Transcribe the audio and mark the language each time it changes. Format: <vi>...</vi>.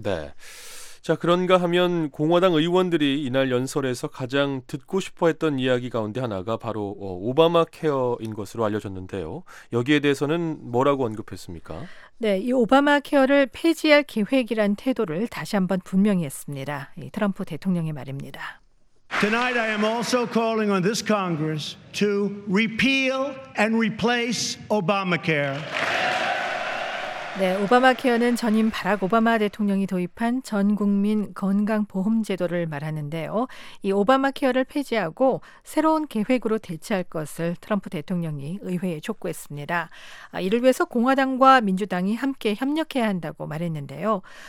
<ko>네, 자, 그런가 하면 공화당 의원들이 이날 연설에서 가장 듣고 싶어했던 이야기 가운데 하나가 바로 오바마 케어인 것으로 알려졌는데요. 여기에 대해서는 뭐라고 언급했습니까? 네, 이 오바마 케어를 폐지할 계획이란 태도를 다시 한번 분명히 했습니다. 이 트럼프 대통령의 말입니다.</ko> <en>Tonight I am also calling on this Congress to repeal and replace Obamacare.</en> <ko>네, 오바마 케어는 전임 바락 오바마 대통령이 도입한 전 국민 건강보험 제도를 말하는데요. 이 오바마 케어를 폐지하고 새로운 계획으로 대체할 것을 트럼프 대통령이 의회에 촉구했습니다. 이를 위해서 공화당과 민주당이 함께 협력해야 한다고 말했는데요.</ko>